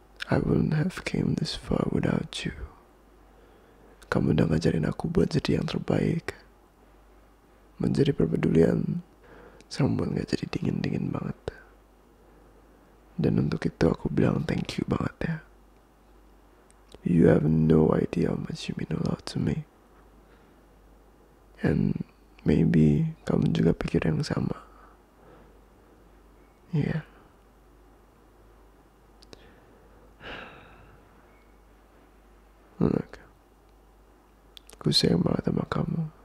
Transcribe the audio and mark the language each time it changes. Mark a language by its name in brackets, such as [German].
[English] I wouldn't have came this far without you. [Indonesian] Kamu udah ngajarin aku buat jadi yang terbaik. Menjadi perpedulian sama buat gak jadi dingin-dingin banget. Dan untuk itu aku bilang [English] thank you [Indonesian] banget ya. [English] You have no idea how much you mean a lot to me. And maybe [Indonesian] kamu juga pikir yang sama. [English] Yeah. Look. [Indonesian] Aku sayang banget sama kamu.